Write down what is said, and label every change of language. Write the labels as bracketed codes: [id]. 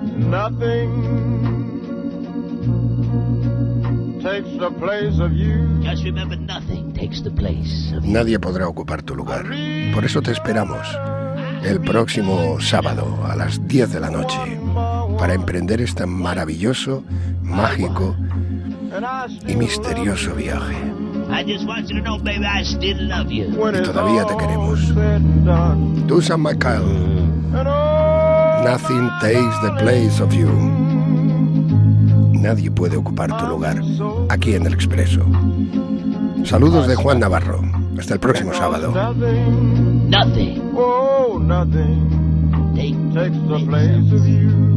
[en] Nothing takes the place of you. Just remember, nothing takes the place of you. [es] Nadie podrá ocupar tu lugar. Por eso te esperamos el próximo sábado a las 10 de la noche para emprender este maravilloso, mágico y misterioso viaje. Y todavía te queremos. Tucson McCall. [en] Nothing takes the place of you. [es] Nadie puede ocupar tu lugar aquí en El Expreso. Saludos de Juan Navarro. Hasta el próximo sábado. [en] Nothing. Oh, nothing takes the place of you.